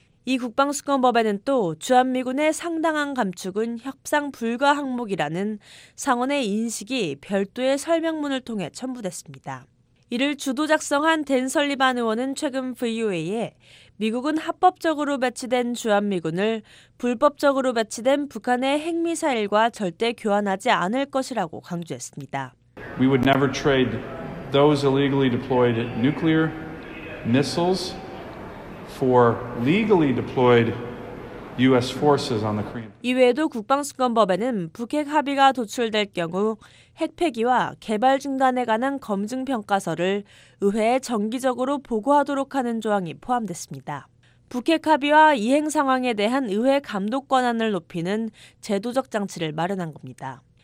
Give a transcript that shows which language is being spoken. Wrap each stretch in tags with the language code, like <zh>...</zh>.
<ko>이 국방수권법에는 또 주한미군의 상당한 감축은 협상 불가 항목이라는 상원의 인식이 별도의 설명문을 통해 첨부됐습니다. 이를 주도 작성한 댄 설리반 의원은 최근 VOA에 미국은 합법적으로 배치된 주한미군을 불법적으로 배치된 북한의 핵미사일과 절대 교환하지 않을 것이라고 강조했습니다.</ko> <en>We would never trade those illegally deployed nuclear missiles for legally deployed U.S. forces on the Korean.</en> <ko>이외에도 국방수권법에는 북핵 합의가 도출될 경우 핵폐기와 개발 중단에 관한 검증 평가서를 의회에 정기적으로 보고하도록 하는 조항이 포함됐습니다. 북핵 합의와 이행 상황에 대한 의회 감독 권한을 높이는 제도적 장치를 마련한 겁니다.</ko>